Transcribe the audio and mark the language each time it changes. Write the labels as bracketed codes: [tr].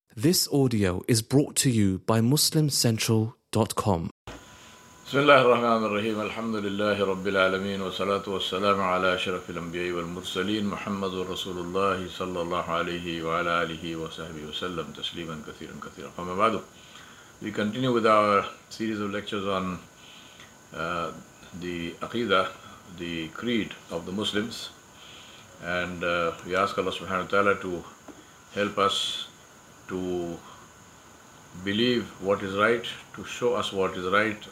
[en] This audio is brought to you by MuslimCentral.com. [ar] بسم الله الرحمن الرحيم الحمد لله رب العالمين والصلاة والسلام على أشرف الأنبياء والمرسلين محمد رسول الله صلى الله عليه وعلى آله وصحبه وسلم تسليما كثيرا كثيرا فما بعد. [en] We continue with our series of lectures on the Aqidah, the creed of the Muslims, and we ask Allah subhanahu wa ta'ala to help us to believe what is right, to show us what is right.